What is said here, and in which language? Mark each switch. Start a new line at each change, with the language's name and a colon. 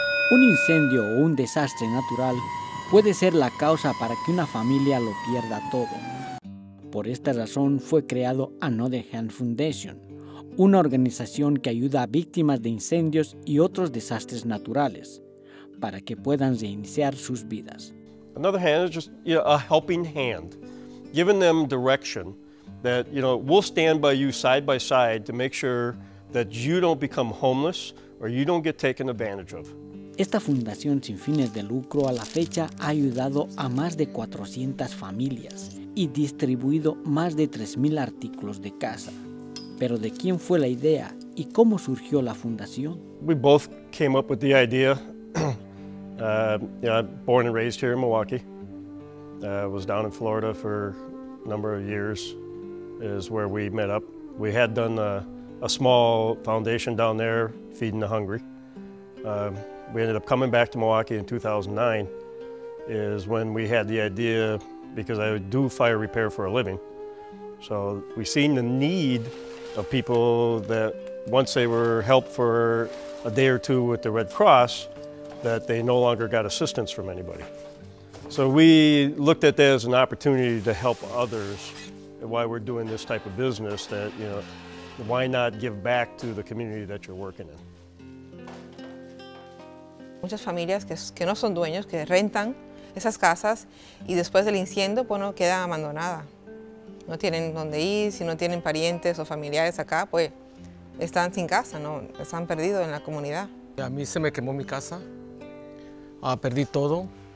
Spanish: Un incendio o un desastre natural puede ser la causa para que una familia lo pierda todo. Por esta razón fue creado Another Hand Foundation, una organización que ayuda a víctimas de incendios y otros desastres naturales para que puedan reiniciar sus vidas.
English: Another Hand is just, you know, a helping hand, giving them direction that, you know, we'll stand by you side by side to make sure that you don't become homeless or you don't get taken advantage of.
Spanish: Esta fundación sin fines de lucro a la fecha ha ayudado a más de 400 familias y distribuido más de 3,000 artículos de casa. Pero ¿de quién fue la idea y cómo surgió la fundación?
English: We both came up with the idea. I'm born and raised here in Milwaukee. I was down in Florida for a number of years, is where we met up. We had done a small foundation down there, feeding the hungry. We ended up coming back to Milwaukee in 2009, is when we had the idea, because I do fire repair for a living. So we seen the need of people that once they were helped for a day or two with the Red Cross, that they no longer got assistance from anybody. So we looked at that as an opportunity to help others, and why we're doing this type of business, that, you know, why not give back to the community that you're working in?
Spanish: Muchas familias que no son dueños, que rentan esas casas, y después del incendio, bueno, queda abandonada. No tienen dónde ir, si no tienen parientes o familiares acá, pues están sin casa, ¿no? Están perdidos en la comunidad. A mí se me quemó mi casa, perdí todo.